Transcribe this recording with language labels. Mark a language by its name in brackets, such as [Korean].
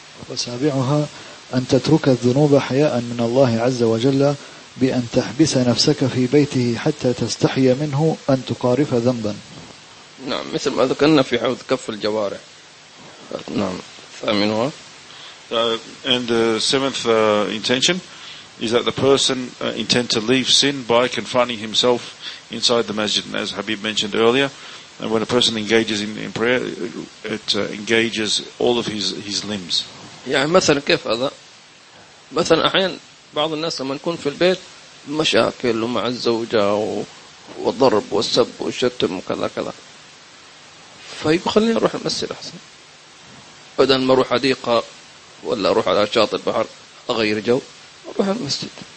[Arabic] وسابعها أن تترك الذنوب حياء من الله عز وجل بأن تحبس نفسك في بيته حتى تستحي منه أن تقارف ذنبا. نعم، مثل ما ذكرنا في حوض كف الجوارح. نعم، ثامنها. [English] And the seventh intention is that the person intend to leave sin by confining himself inside the masjid. And as Habib mentioned earlier, and when a person engages in prayer, it engages all of his limbs. [Arabic] يعني مثلا كيف هذا؟ مثلا أحيانا بعض الناس لما يكون في البيت مشاكل ومع الزوجة وضرب والسب والشتم وكذا كذا، فيخليني أروح المسجد أحسن، بدل ما أروح حديقة ولا أروح على شاطئ البحر أغير جو أروح المسجد.